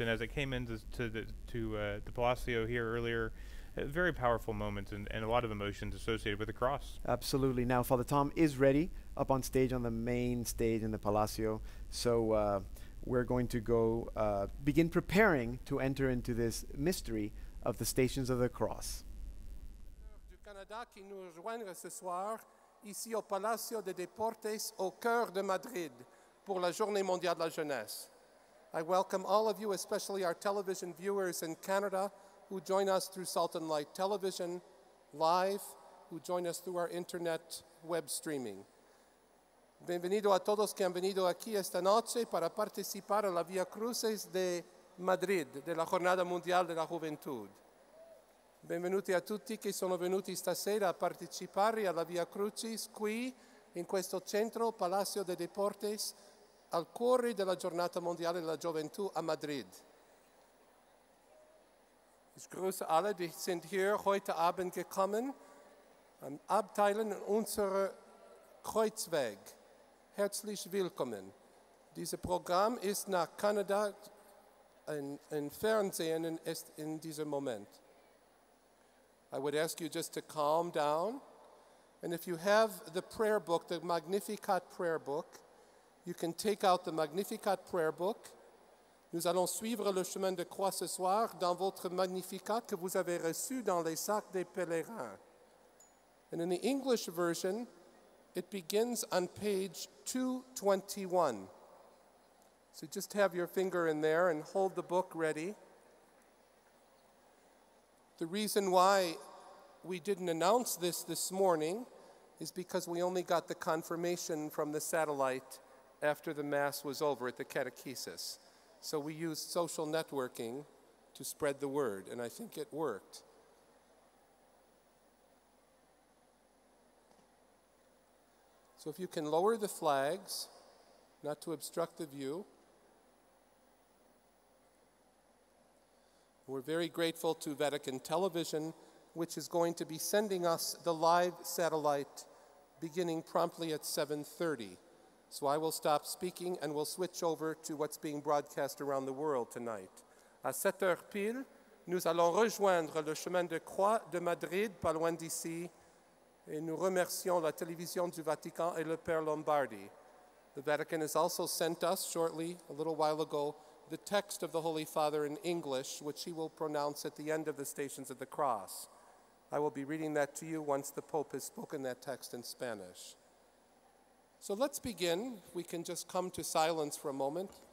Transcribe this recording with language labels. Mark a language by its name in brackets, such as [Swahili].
[English] And as it came into the Palacio here earlier, a very powerful moment and a lot of emotions associated with the cross. Absolutely. Now, Father Tom is ready up on stage on the main stage in the Palacio. So we're going to go begin preparing to enter into this mystery of the Stations of the Cross. [French] ...du Canada qui nous rejoindre ce soir ici au Palacio de Deportes au cœur de Madrid pour la Journée Mondiale de la Jeunesse. [English] I welcome all of you, especially our television viewers in Canada who join us through Salt and Light Television, live, who join us through our internet web streaming. [Spanish] Bienvenido a todos que han venido aquí esta noche para participar a la Via Cruces de Madrid, de la Jornada Mundial de la Juventud. [Italian] Benvenuti a tutti che sono venuti stasera a partecipare alla Via Crucis qui, in questo centro, Palacio de Deportes, al cuore della Giornata Mondiale della Gioventù a Madrid. [German] Ich grüße alle, die sind hier heute Abend gekommen, am Abteilen unserer Kreuzweg. Herzlich willkommen. Dieses Programm ist nach Kanada in Fernsehen in diesem Moment. [English] I would ask you just to calm down. And if you have the prayer book, the Magnificat prayer book, you can take out the Magnificat prayer book. [French] Nous allons suivre le chemin de croix ce soir dans votre Magnificat que vous avez reçu dans les sacs des pèlerins. [English] And in the English version, it begins on page 221. So just have your finger in there and hold the book ready. The reason why we didn't announce this morning is because we only got the confirmation from the satellite after the Mass was over at the catechesis. So we used social networking to spread the word, and I think it worked. So if you can lower the flags, not to obstruct the view. We're very grateful to Vatican Television, which is going to be sending us the live satellite beginning promptly at 7:30. So I will stop speaking and we'll switch over to what's being broadcast around the world tonight. [French] À 7 heures pile, nous allons rejoindre le chemin de croix de Madrid, pas loin d'ici, et nous remercions la télévision du Vatican et le Père Lombardi. [English] The Vatican has also sent us shortly, a little while ago, the text of the Holy Father in English, which he will pronounce at the end of the Stations of the Cross. I will be reading that to you once the Pope has spoken that text in Spanish. So let's begin. We can just come to silence for a moment.